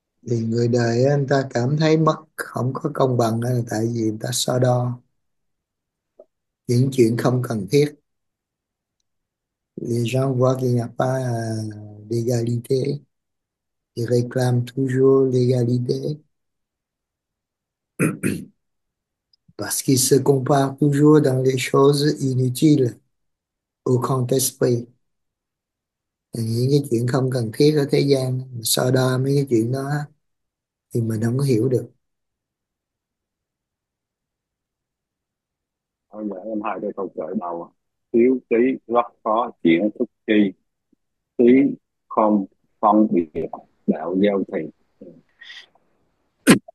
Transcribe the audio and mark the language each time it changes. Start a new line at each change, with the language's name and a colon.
Vietnamese: Thì người đời anh ta cảm thấy mất, không có công bằng là tại vì người ta so đo những chuyện không cần thiết.
French: Les gens voient qu'il n'y a pas d'égalité. Ils réclament toujours l'égalité. Parce qu'ils se comparent toujours dans les choses inutiles au grand esprit.
Vietnamese: Những cái chuyện không cần thiết ở thế gian, so đo mấy cái chuyện đó thì mình không có hiểu được. Em hai cái câu khởi đầu: thiếu trí rất khó chuyển thức chi, trí không phân biệt đạo giao thì.